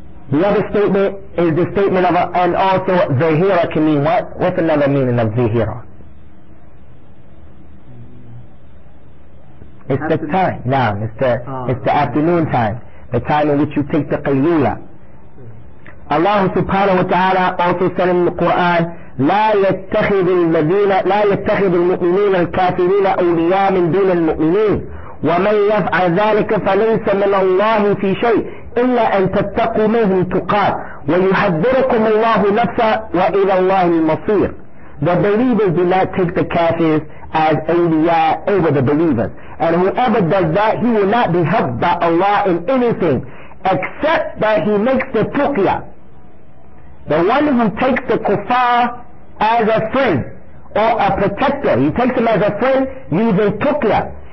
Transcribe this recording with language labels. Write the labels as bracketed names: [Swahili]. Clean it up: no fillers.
[English] The other statement is the statement of, and also Zahira can mean what? What's another meaning of Zahira? It's afternoon. The time. Now, it's the afternoon time. The time in which you take the qayyula. Allah subhanahu wa ta'ala also said in the Quran, [Arabic] لا يتخذ المؤمنين الكافرين أولياء من دون المؤمنين ومن يفعل ذلك فليس من الله في شيء إلا أن تتقوا منهم تقاة ويحذركم الله نفسه وإلى الله المصير. [English] The believers do not take the kafirs as أولياء over the believers, and whoever does that, he will not be helped by Allah in anything except that he makes the tuqya. The one who takes the kuffar as a friend or a protector, he takes him as a friend using tuqya.